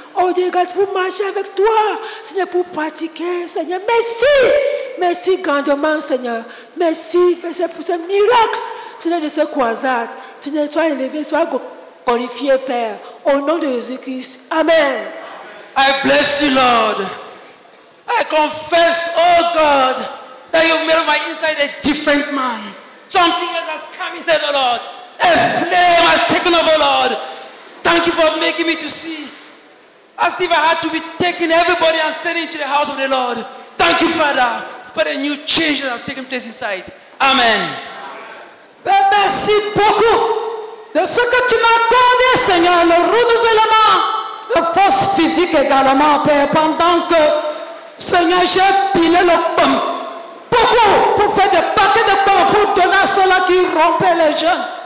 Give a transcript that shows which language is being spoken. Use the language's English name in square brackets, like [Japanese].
[French] Oh Dieu, grâce pour marcher avec toi, Seigneur, pour pratiquer, Seigneur. Merci, merci grandement, Seigneur. Merci, merci pour ce miracle, Seigneur, de cette croisade. Seigneur, sois élevé, sois glorifié, Père, au nom de Jésus-Christ. Amen. [English] I bless you, Lord. I confess, oh God, that you made my inside a different man. Something else has come into the Lord. A flame has taken over, Lord. Thank you for making me to see. As if I had to be taking everybody and sending into the house of the Lord. Thank you, Father, for the new change that has taken place inside. Amen. [French] Ben, merci beaucoup de ce que tu m'as accordé, Seigneur, le renouvellement, la force physique également, Père, pendant que, Seigneur, j'ai pilé le pain. Beaucoup pour faire des paquets de pain pour donner à ceux-là qui rompaient les jeunes.